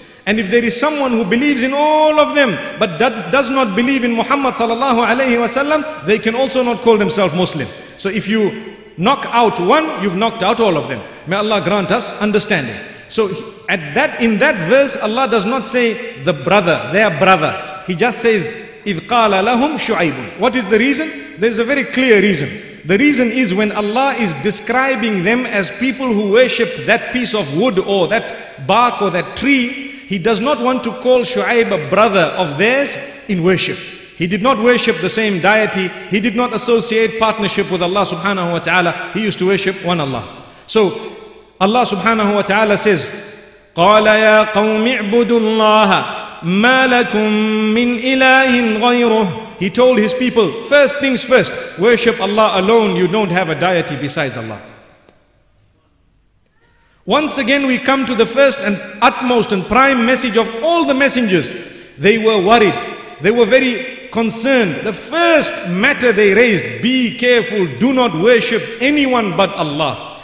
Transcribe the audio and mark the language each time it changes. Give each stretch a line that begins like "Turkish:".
English: And if there is someone who believes in all of them but does not believe in Muhammad sallallahu alayhi wa sallam, they can also not call themselves Muslim. So if you knock out one, you've knocked out all of them. May Allah grant us understanding. So in that verse, Allah does not say the brother, their brother. He just says,
Arabic: إِذْ قَالَ لَهُمْ شُعَيْبٌ.
English: What is the reason? There's a very clear reason. The reason is when Allah is describing them as people who worshipped that piece of wood or that bark or that tree, He does not want to call Shu'aib a brother of theirs in worship. He did not worship the same deity. He did not associate partnership with Allah subhanahu wa ta'ala. He used to worship one Allah. So Allah subhanahu wa ta'ala says,
Arabic: قَالَ يَا قَوْمِ اعْبُدُوا اللَّهَ مَا لَكُم مِّنْ إِلَٰهٍ غَيْرُهُ.
English: He told his people, first things first, worship Allah alone. You don't have a deity besides Allah. Once again, we come to the first and utmost and prime message of all the messengers. They were worried. They were very concerned. The first matter they raised, be careful, do not worship anyone but Allah.